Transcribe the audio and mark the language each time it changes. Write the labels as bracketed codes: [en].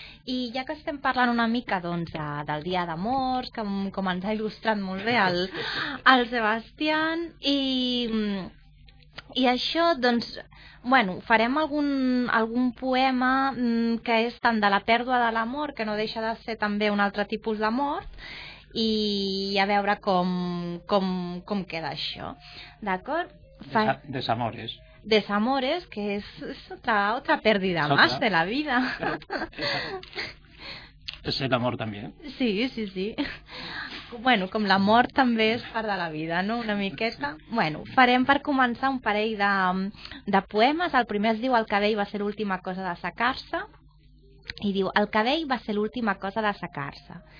[ca] I ja que estem parlant una mica, doncs, del Dia de Morts, com ens ha il·lustrat molt bé el Sebastián, i això, doncs, bueno, farem algun poema que és tant de la pèrdua de l'amor, que no deixa de ser també un altre tipus de mort, i a veure com queda això, d'acord? [es] Desamores. Desamores, que és otra pérdida más de la vida. [ca] És el amor també. Sí, sí, sí. Bueno, com la mort també és part de la vida, no? Una miqueta. Bueno, farem per començar un parell de poemes. El primer es diu El cabell va ser l'última cosa de secar-se. I diu, el cabell va ser l'última cosa de secar-se.